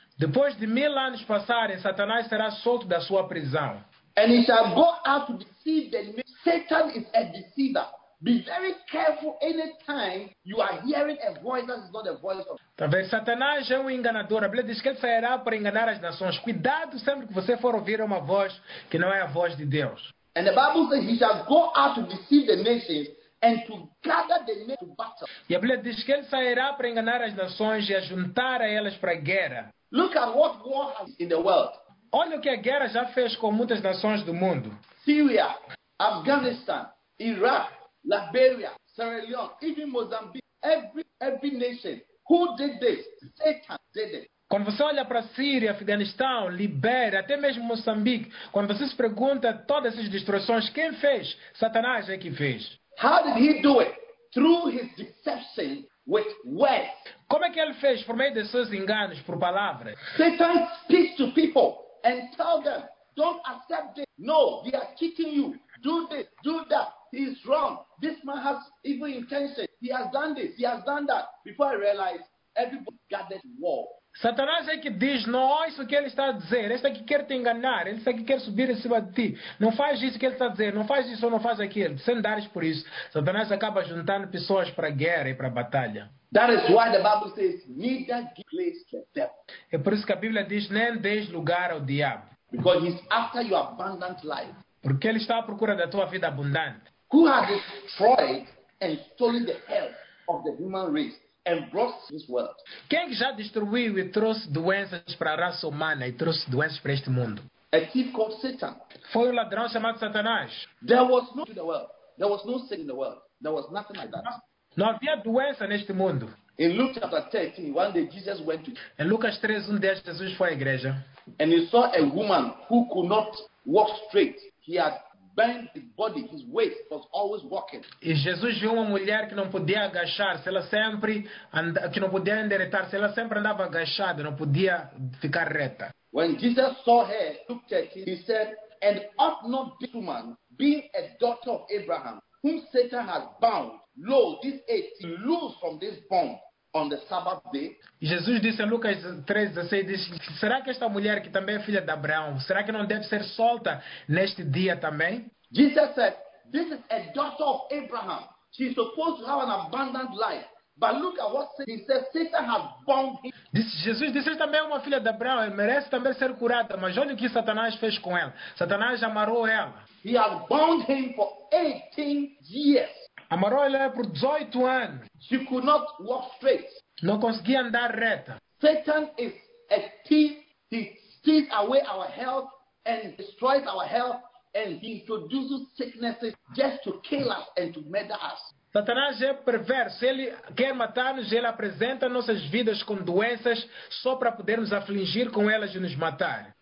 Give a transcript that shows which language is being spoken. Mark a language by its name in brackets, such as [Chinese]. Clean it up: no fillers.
[Portuguese] Depois de 1,000 anos passarem, Satanás será solto da sua prisão. [English] And he shall go out to deceive the nations. Satan is a deceiver. Be very careful anytime you are hearing a voice that is not a voice of. [Portuguese] Talvez Satanás é um enganador. A Bíblia diz que ele sairá para enganar as nações. Cuidado sempre que você for ouvir uma voz que não é a voz de Deus. [English] And the Bible says he shall go out to deceive the nations and to gather the nations to battle. [Portuguese] E a Bíblia diz que ele sairá para enganar as nações e a juntar a elas para a guerra. [English] Look at what war has in the world. [Portuguese] Olha o que a guerra já fez com muitas nações do mundo. [English] Syria, Afghanistan, Iraq, Liberia, Sierra Leone, even Mozambique. Every nation. Who did this? Satan did it. [Portuguese] Quando você olha para a Síria, Afeganistão, Libéria, até mesmo Moçambique, quando você se pergunta todas essas destruições, quem fez? Satanás é que fez. [English] How did he do it? Through his deception with words. [Portuguese] Como é que ele fez? Por meio de seus enganos, por palavras. [English] Satan speaks to people and tell them, don't accept this. No, they are cheating you. Do this, do that. He is wrong. This man has evil intentions. He has done this, he has done that. Before I realize, everybody gathered to war. [Portuguese] Satanás é que diz, não ouça o que ele está a dizer. Este é que quer te enganar. Ele é que quer subir em cima de ti. Não faz isso que ele está a dizer. Não faz isso ou não faz aquilo. Sem dares por isso. Satanás acaba juntando pessoas para a guerra e para a batalha. [English] That is why the Bible says, neither give place to the devil. [Portuguese] É por isso que a Bíblia diz, nem deis lugar ao diabo. [English] Because he's after your abundant life. [Portuguese] Porque ele está à procura da tua vida abundante. [English] Who has destroyed and stolen the health of the human race? And brought this world. [Portuguese] Quem já destruiu e trouxe doenças para a raça humana e trouxe doenças para este mundo? [English] A thief called Satan. [Portuguese] Foi um ladrão chamado Satanás. [English] There was no in the world. There was no sin in the world. There was nothing like that. [Portuguese] Não havia doença neste mundo. [English] In Luke chapter 13, one day Jesus went to. [Portuguese] Em Lucas 13, um dia Jesus foi à igreja. [English] And he saw a woman who could not walk straight. He had bent his body, his waist was always walking. [Portuguese] E Jesus viu uma mulher que não podia agachar-se, ela sempre que não podia endireitar-se, ela sempre andava agachada, não podia ficar reta. [English] When Jesus saw her, Luke 13, he said, and ought not this woman, being a daughter of Abraham, whom Satan has bound, lo, this age, to loose from this bond on the Sabbath day? [Portuguese] Jesus disse em Lucas 13, 16, disse, será que esta mulher que também é filha de Abraão, será que não deve ser solta neste dia também? [English] Jesus said, this is a daughter of Abraham. She is supposed to have an abundant life. But look at what he said, Satan has bound him. [Portuguese] Jesus disse, esta também é uma filha de Abraão, ela merece também ser curada, mas olha o que Satanás fez com ela. Satanás amarrou ela. [English] He has bound him for 18 years. [Portuguese] Amarou ela por 18 anos. [English] She could not walk straight. [Portuguese] Não conseguia andar reta. [English] Satan is a thief. He steals away our health and destroys our health and he introduces sicknesses just to kill us and to murder us. [Portuguese] Satanás é perverso. Ele quer matar-nos. Ele apresenta nossas vidas com doenças só para podermos afligir com elas e nos matar.